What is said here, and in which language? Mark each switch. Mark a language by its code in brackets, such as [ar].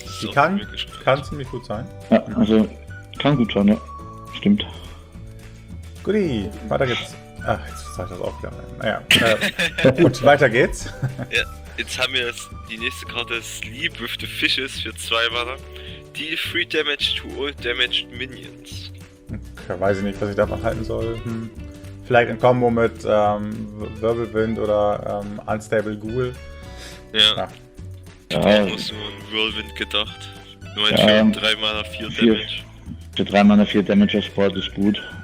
[de] Die kann ziemlich gut sein. Ja, also kann gut sein, ja. Stimmt. Guti, weiter geht's. Ach, jetzt zeige ich das auch gerne. Naja. gut, weiter geht's. Ja, jetzt haben wir die nächste Karte, Sleep with the Fishes für 2 Mana. [en] Deal 3 Damage to all damaged Minions. [de] Okay, weiß ich nicht, was ich davon halten soll. Hm. Vielleicht ein Kombo mit Wirbelwind oder Unstable Ghoul. Ja. Ich habe nur so an Whirlwind gedacht. Nur ein für 3 Mana 4 Damage. Für 3 Mana 4 Damage als Sport ist gut.